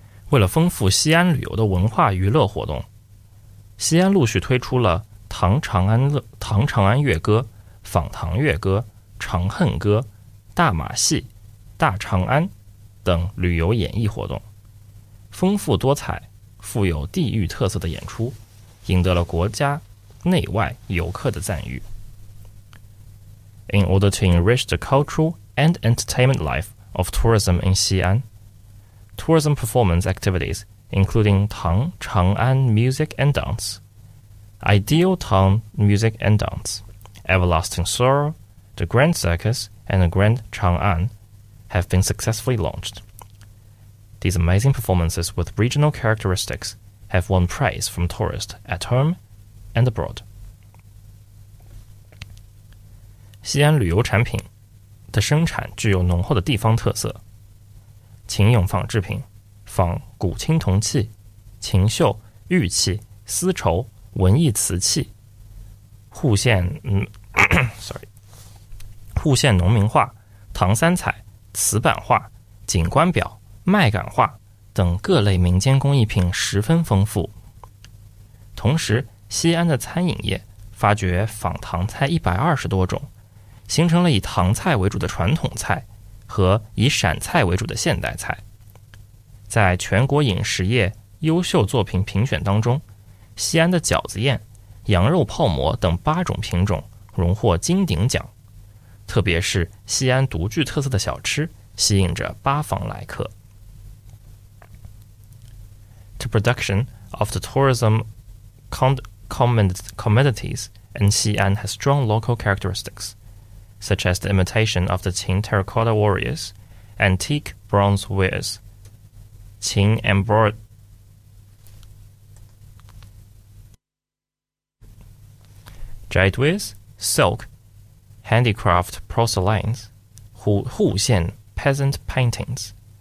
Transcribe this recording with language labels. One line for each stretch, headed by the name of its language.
Chinese: 为了丰富西安旅游的文化娱乐活动，西安陆续推出了唐长安乐歌、访唐乐歌、长恨歌、大马戏、大长安等旅游演绎活动，丰富多彩、富有地域特色的演出赢得了国家内外游客的赞誉。
English: In order to enrich the cultural and entertainment life of tourism in Xi'anTourism performance activities, including Tang Chang'an music and dance, Ideal Tang music and dance, Everlasting Sorrow, the Grand Circus, and the Grand Chang'an have been successfully launched. These amazing performances with regional characteristics have won praise from tourists at home and abroad.
Chinese: 西安旅游产品的生产具有浓厚的地方特色。秦俑仿制品、仿古青铜器、秦绣、玉器、丝绸、文艺瓷器，户县农民画、唐三彩、瓷板画、景观表、麦秆画等各类民间工艺品十分丰富。同时，西安的餐饮业发掘仿唐菜120多种，形成了以唐菜为主的传统菜和以陕菜为主的现代菜。在全国饮食业优秀作品评选当中，西安的饺子宴、羊肉泡馍等八种品种荣获金鼎奖，特别是西安独具特色的小吃吸引着八方来客。
English: The production of the tourism commodities in Xi'an has strong local characteristics. Such as the imitation of the Qin terracotta warriors, antique bronze wares, jade wares, silk, handicraft porcelains, Hu Xian peasant paintings,